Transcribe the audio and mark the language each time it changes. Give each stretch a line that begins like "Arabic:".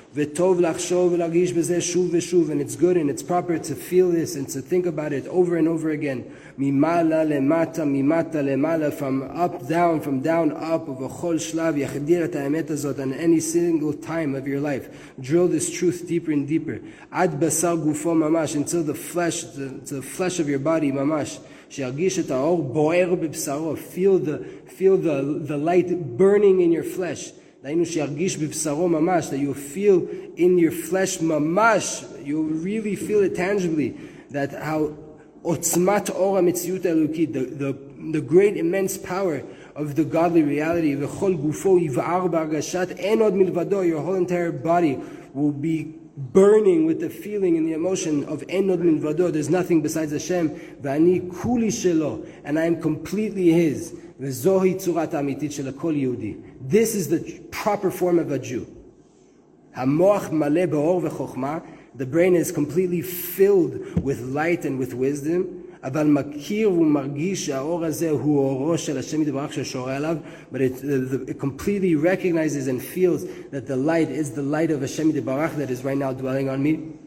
Hebrew: וטוב לחשוב ולהרגיש בזה שוב ושוב,
English: and it's good and it's proper to feel this and to think about it over and over again.
Hebrew: ממעלה למטה, ממטה למעלה,
English: from down up,
Hebrew: ובכל שלב יחדיר את האמת הזאת
English: on any single time of your life. Drill this truth deeper and deeper.
Hebrew: עד בשר גופו ממש,
English: until the flesh, to the flesh of your body
Hebrew: ממש, שירגיש את האור בוער בבשרו.
English: Feel the light burning in your flesh.
Hebrew: דיינו שירגיש בבשרו ממש,
English: that you feel in your flesh ממש, you really feel it tangibly, that how
Hebrew: עוצמת אור המציאות האלוקית,
English: the great immense power of the godly reality,
Hebrew: וכל גופו יבער בהרגשת, אין עוד מלבדו,
English: your whole entire body will be burning with the feeling and the emotion of
Hebrew: אין עוד מלבדו,
English: there's nothing besides Hashem,
Hebrew: ואני כולי שלו,
English: and I am completely His.
Hebrew: וזוהי צורת האמיתית של הכל יהודי.
English: This is the proper form of a Jew.
Hebrew: המוח מלא באור וחוכמה,
English: the brain is completely filled with light and with wisdom,
Hebrew: אבל מכיר ומרגיש שהאור הזה הוא אורו של השם יתברך ששורה עליו,
English: but it completely recognizes and feels that the light is the light of השם יתברך that is right now dwelling on me.